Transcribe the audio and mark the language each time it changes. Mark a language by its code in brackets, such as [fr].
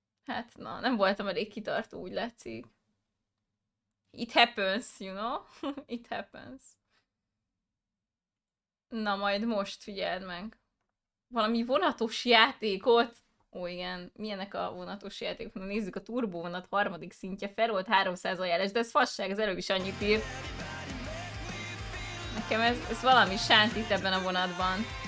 [hu] Hát na, nem voltam elég kitartó, úgy látszik. [en] It happens, you know? It happens. [hu] Na majd most figyeld meg. Valami vonatos játékot. Ó, igen. Milyenek a vonatos játékok? Na nézzük, a turbóvonat harmadik szintje felolt 300 ajánlás. De ez fasság, ez előbb is annyit ír. Nekem ez valami sántít ebben a vonatban.